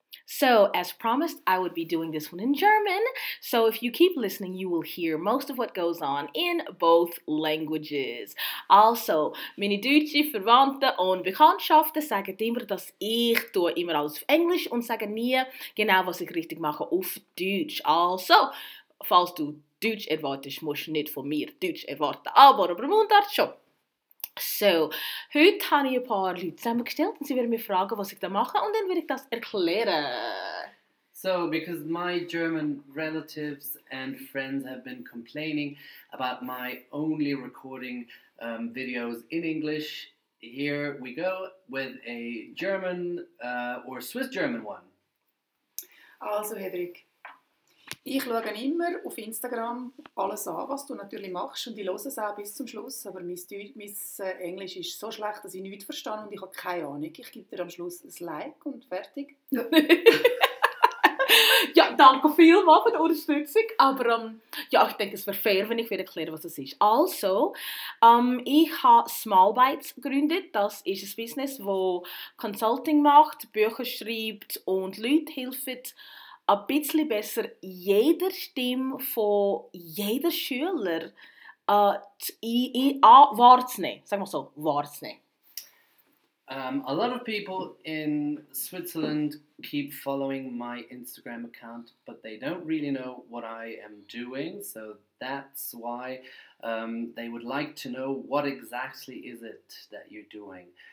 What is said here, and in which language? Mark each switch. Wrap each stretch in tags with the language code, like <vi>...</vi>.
<en>So, as promised, I would be doing this one in German. So, if you keep listening, you will hear most of what goes on in both languages.</en> <de>Also, meine deutsche Verwandte und Bekanntschaften sagen immer, dass ich tue immer alles auf Englisch und sage nie genau, was ich richtig mache auf Deutsch. Also, falls du Deutsch erwartest, musst du nicht von mir Deutsch erwarten. Aber über Mundart schon. So, heute habe ich ein paar Leute zusammengestellt und sie werden mich fragen, was ich da mache und dann werde ich das erklären.</de> <en>So, because my German relatives and friends have been complaining about my only recording videos in English, here we go with a German or Swiss German one.</en> <de>Also, Hedrick. Ich schaue immer auf Instagram alles an, was du natürlich machst und ich höre es auch bis zum Schluss. Aber mein Englisch ist so schlecht, dass ich nichts verstehe und ich habe keine Ahnung. Ich gebe dir am Schluss ein Like und fertig. Ja, danke vielmals für die Unterstützung. Aber ja, ich denke, es wäre fair, wenn ich wieder erkläre, was es ist. Also, ich habe Small Bites gegründet. Das ist ein Business, das Consulting macht, Bücher schreibt und Leute hilft, ein bisschen besser jeder Stimme von jeder Schüler wahrzunehmen. Sagen wir so, wahrzunehmen.</de> <en>A lot of people in Switzerland keep following my Instagram account, but they don't really know what I am doing, so that's why they would like to know what exactly is it that you're doing.</en>